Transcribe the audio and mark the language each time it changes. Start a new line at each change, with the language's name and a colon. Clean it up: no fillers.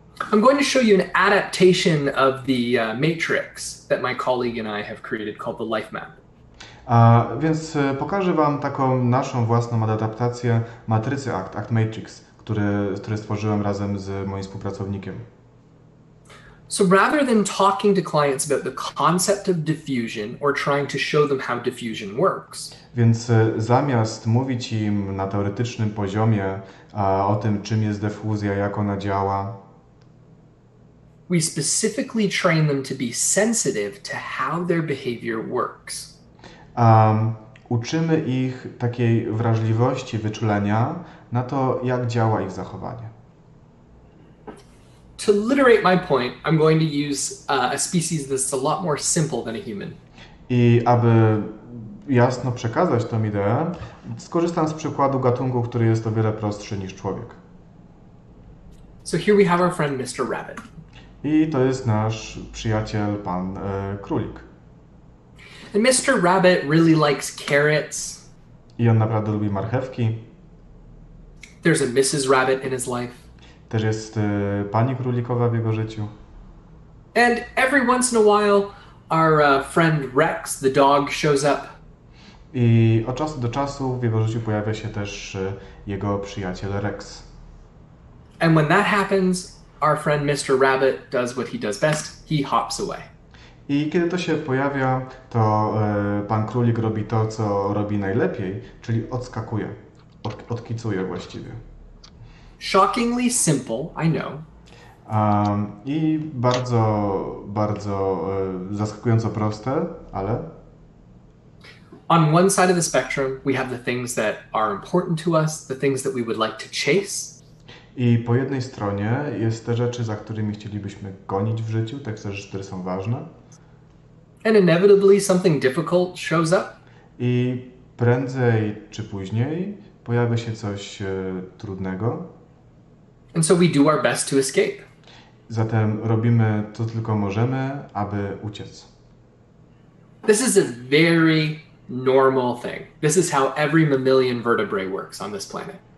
English: I'm going to show you an adaptation of the matrix that my colleague and I have created called the life map.
Polish: Więc pokażę Wam taką naszą własną adaptację matrycy ACT, ACT Matrix, który stworzyłem razem z moim współpracownikiem.
English: So rather than talking to clients about the concept of diffusion or trying to show them how diffusion works.
Polish: Więc zamiast mówić im na teoretycznym poziomie o tym, czym jest defuzja, jak ona działa,
English: we specifically train them to be sensitive to how their behavior works.
Polish: Uczymy ich takiej wrażliwości, wyczulenia na to, jak działa ich zachowanie.
English: To literate my point, I'm going to use a species that's a lot more simple than a human.
Polish: I aby jasno przekazać tę ideę, skorzystam z przykładu gatunku, który jest o wiele prostszy niż człowiek.
English: So here we have our friend Mr. Rabbit.
Polish: I to jest nasz przyjaciel, pan królik.
English: And Mr. Rabbit really likes carrots.
Polish: I on naprawdę lubi marchewki.
English: There's a Mrs. Rabbit in his life.
Polish: Też jest pani królikowa w jego życiu.
English: And every once in a while, our friend Rex, the dog, shows up.
Polish: I od czasu do czasu w jego życiu pojawia się też jego przyjaciel Rex.
English: And when that happens, our friend Mr. Rabbit does what he does best. He hops away.
Polish: I kiedy to się pojawia, to pan królik robi to, co robi najlepiej, czyli odskakuje, odkicuje właściwie.
English: Shockingly simple, I know.
Polish: I bardzo, bardzo zaskakująco proste, ale...
English: On one side of the spectrum, we have the things that are important to us, the things that we would like to chase.
Polish: I po jednej stronie jest te rzeczy, za którymi chcielibyśmy gonić w życiu, te rzeczy, które są ważne.
English: And inevitably something difficult shows up.
Polish: I prędzej czy później pojawia się coś trudnego.
English: And so we do our best to escape.
Polish: Zatem robimy to tylko możemy, aby uciec.
English: This is a very normal thing. This is how every mammalian vertebrae works on this planet.